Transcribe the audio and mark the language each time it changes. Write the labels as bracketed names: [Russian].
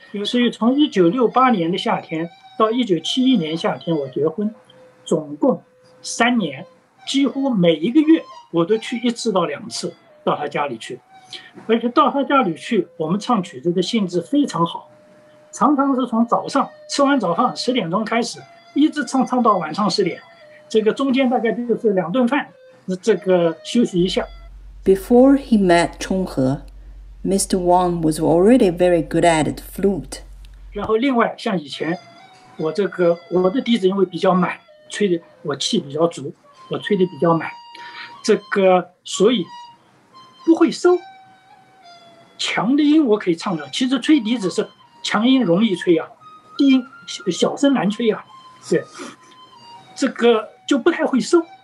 [Chinese] 所以从1968年的夏天到1971年夏天我结婚，总共3年，几乎每一个月我都去1到2次到他家里去。而且到他家里去，我们唱曲子的性质非常好，常常是从早上吃完早饭10点钟开始，一直唱到晚上10点，这个中间大概就是两顿饭，这个休息一下。 [English] Before he met Chunghe, Mr. Wang was already very good at the flute. [Chinese] 然后另外像以前，我的笛子因为比较满，吹的我气比较足，我吹的比较满，这个所以不会收。强的音我可以唱的，其实吹笛子是强音容易吹啊，低音小声难吹啊，是这个就不太会收。